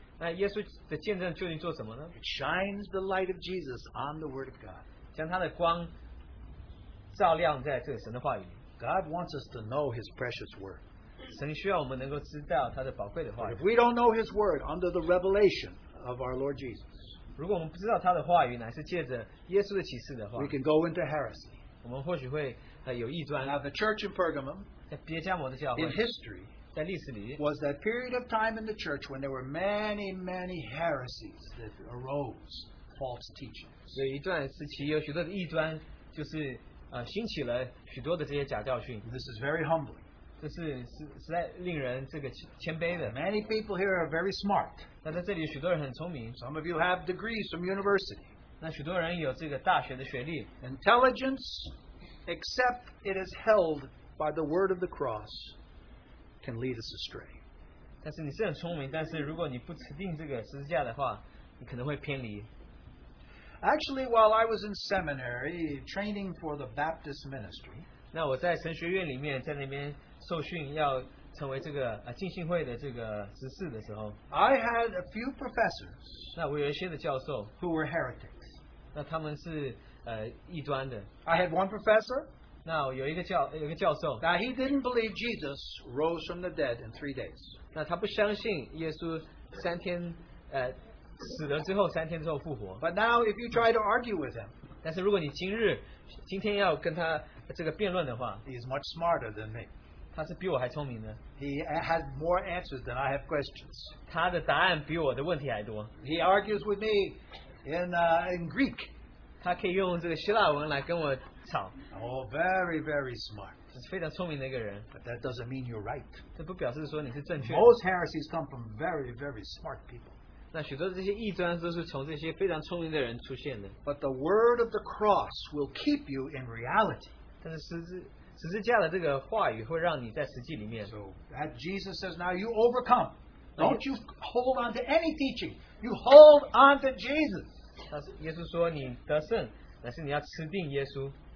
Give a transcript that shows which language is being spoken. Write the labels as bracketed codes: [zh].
[zh] 那耶稣的见证究竟做什么呢? [en] It shines the light of Jesus on the Word of God. [zh] 将他的光照亮在这个神的话语里。 [en] God wants us to know His precious Word. [zh] 神需要我们能够知道他的宝贵的话语。 [en] If we don't know His Word under the revelation of our Lord Jesus, we can go into heresy. Now the church in Pergamum, in history, was that period of time in the church when there were many, many heresies that arose, false teachings. This is very humbling. Many people here are very smart. Some of you have degrees from university. Intelligence, except it is held by the word of the cross can lead us astray. [zh] 但是你是很聪明, 但是如果你不持定这个十字架的话, 你可能会偏离。 [en] Actually, while I was in seminary, training for the Baptist ministry, [zh] 那我在神学院里面, 在那边受训, 要成为这个, 进信会的这个执事的时候, [en] I had a few professors [zh] 那我有一些的教授, [en] who were heretics. [zh] 那他们是, [en] I had one professor. [zh] 那有一个教授, [en] now he didn't believe Jesus rose from the dead in 3 days. [zh] 那他不相信耶稣三天, 死了之后, [en] but now if you try to argue with him, [zh] 但是如果你今日, 今天要跟他这个辩论的话, [en] he is much smarter than me. He had more answers than I have questions. He argues with me in Greek. Oh, very, very smart. [zh] 是非常聪明的一个人, [en] but that doesn't mean you're right. [zh] 这不表示说你是正确的, [en] most heresies come from very, very smart people. [zh] 那许多这些异端都是从这些非常聪明的人出现的, [en] but the word of the cross will keep you in reality. [zh] 但是十字, 十字架的这个话语会让你在实际里面, [en] so that Jesus says, now you overcome. Don't you hold on to any teaching. You hold on to Jesus. [zh] 耶稣说你得胜, 但是你要吃定耶稣。